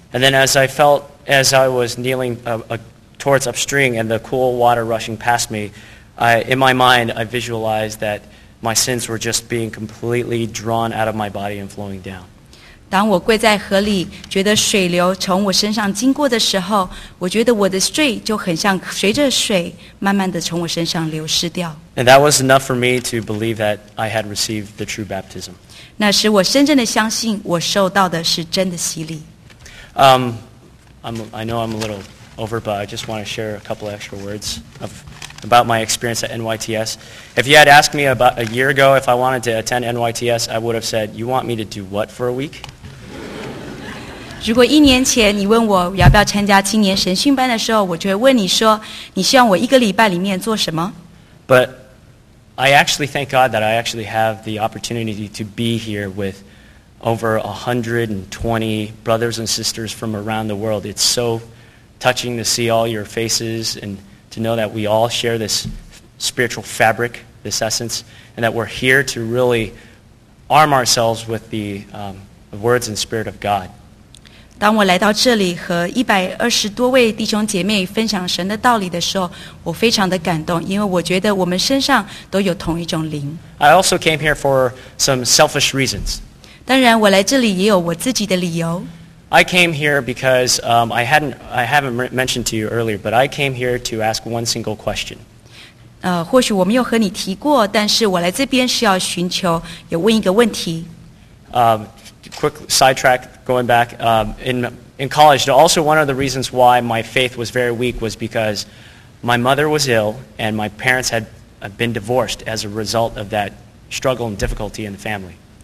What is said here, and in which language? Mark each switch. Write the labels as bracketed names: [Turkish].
[English] And then as I felt, as I was kneeling towards upstream and the cool water rushing past me, in my mind, I visualized that my sins were just being completely drawn out of my body and flowing down. [Chinese] 当我跪在河里觉得水流从我身上经过的时候，我觉得我的罪就很像随着水慢慢地从我身上流失掉。 [English] And that was enough for me to believe that I had received the true baptism. [Chinese] 那使我深深地相信我受到的是真的洗礼。 [English] I know I'm a little over, but I just want to share a couple extra words about my experience at NYTS. If you had asked me about a year ago if I wanted to attend NYTS, I would have said, you want me to do what for a week? [Chinese] 如果一年前你问我要不要参加青年神训班的时候，我就会问你说，你希望我一个礼拜里面做什么？ [English] But I actually thank God that I actually have the opportunity to be here with over 120 brothers and sisters from around the world. It's so touching to see all your faces andto know that we all share this spiritual fabric, this essence, and that we're here to really arm ourselves with the words and spirit of God. [Chinese] 当我来到这里和120多位弟兄姐妹分享神的道理的时候，我非常的感动，因为我觉得我们身上都有同一种灵。 [English] I also came here for some selfish reasons. [Chinese] 当然，我来这里也有我自己的理由。 [English] I came here because I haven't mentioned to you earlier, but I came here to ask one single question. [Chinese] 或许我没有和你提过，但是我来这边是要寻求，有问一个问题。 [English] Quick sidetrack, going back, in college, also one of the reasons why my faith was very weak was because my mother was ill and my parents had been divorced as a result of that struggle and difficulty in the family.